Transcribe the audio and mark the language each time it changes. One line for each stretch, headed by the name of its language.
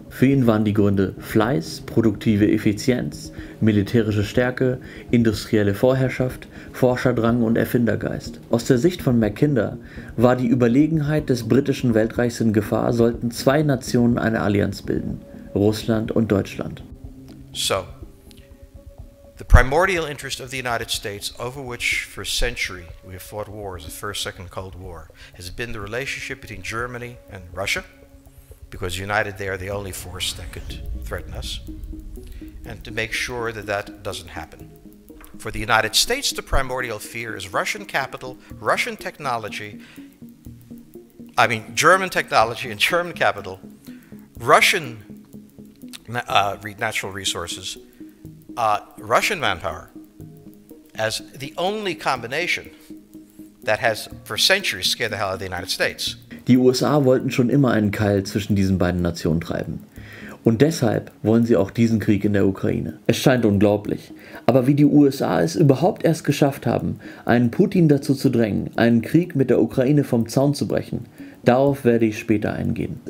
German: Für ihn waren die Gründe Fleiß, produktive Effizienz, militärische Stärke, industrielle Vorherrschaft, Forscherdrang und Erfindergeist. Aus der Sicht von Mackinder war die Überlegenheit des britischen Weltreichs in Gefahr, sollten zwei Nationen eine Allianz bilden, Russland und Deutschland. So.
English: The primordial interest of the United States, over which for a century we have fought wars, the First, Second Cold War, has been the relationship between Germany and Russia, because united they are the only force that could threaten us, and to make sure that that doesn't happen. For the United States, the primordial fear is Russian capital, Russian technology, I mean German technology and German capital, Russian natural resources, Russian manpower as the only combination that has for centuries scared the hell out of the United States.
German: Die USA wollten schon immer einen Keil zwischen diesen beiden Nationen treiben. Und deshalb wollen sie auch diesen Krieg in der Ukraine. Es scheint unglaublich. Aber wie die USA es überhaupt erst geschafft haben, einen Putin dazu zu drängen, einen Krieg mit der Ukraine vom Zaun zu brechen, darauf werde ich später eingehen.